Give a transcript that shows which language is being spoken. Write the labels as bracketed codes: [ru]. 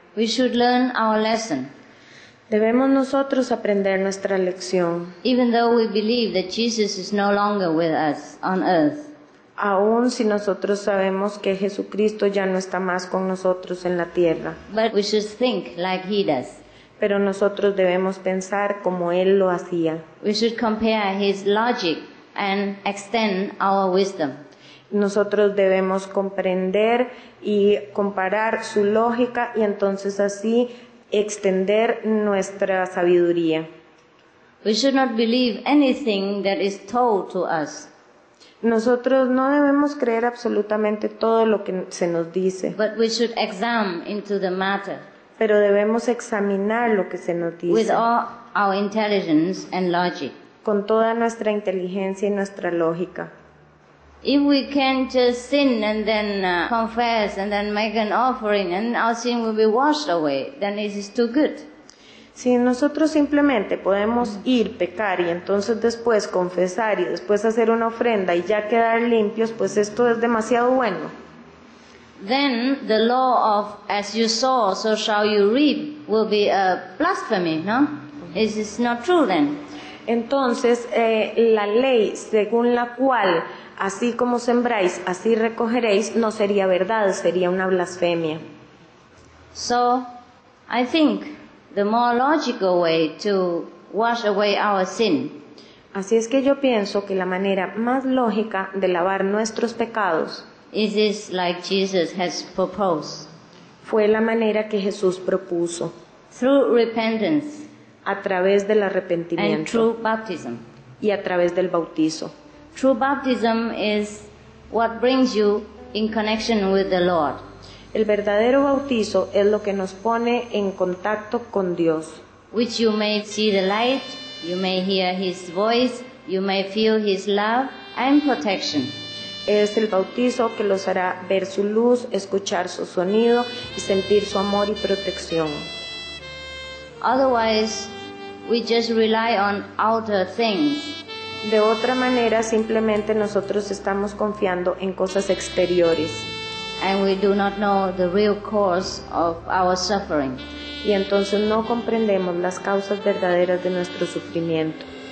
[en] we should learn our lesson. [es] Debemos nosotros aprender nuestra lección. [en] Even though we believe that Jesus is no longer with us on earth. [es] Aún si nosotros sabemos que Jesucristo ya no está más con nosotros en la tierra. [en] But we should think like he does. [es] Pero nosotros debemos pensar como él lo hacía. [en] We should compare his logic and extend our wisdom. [es] Nosotros debemos comprender y comparar su lógica y entonces así extender nuestra sabiduría. [en] We should not believe anything that is told to us. [es] Nosotros no debemos creer absolutamente todo lo que se nos dice. [en] But we should examine into the matter. [es] Pero debemos examinar lo que se nos dice. [en] With all our intelligence and logic. [es] Con toda nuestra inteligencia y nuestra lógica. [en] If we can just sin and then confess and then make an offering and our sin will be washed away, then it is too good. [es] Si nosotros simplemente podemos ir, pecar y entonces después confesar y después hacer una ofrenda y ya quedar limpios, pues esto es demasiado bueno. [en] Then the law of as you sow, so shall you reap will be a blasphemy, no? It is not true then. [es] Entonces, la ley según la cual así como sembráis, así recogeréis, no sería verdad, sería una blasfemia. [en] So, I think the more logical way to wash away our sin. [es] Así es que yo pienso que la manera más lógica de lavar nuestros pecados [en] is this like Jesus has proposed. [es] Fue la manera que Jesús propuso. [en] Through repentance. [es] A través del arrepentimiento. [en] And true baptism. [es] Y a través del bautizo. [en] True baptism is what brings you in connection with the Lord. [es] El verdadero bautizo es lo que nos pone en contacto con Dios. [en] Which you may see the light, you may hear His voice, you may feel His love and protection. [es] Es el bautizo que los hará ver su luz, escuchar su sonido y sentir su amor y protección. [en] Otherwise, we just rely on outer things. [es] De otra manera, simplemente nosotros estamos confiando en cosas exteriores. [en] And we do not know the real cause of our suffering. [es] Y entonces no comprendemos las causas verdaderas de nuestro sufrimiento.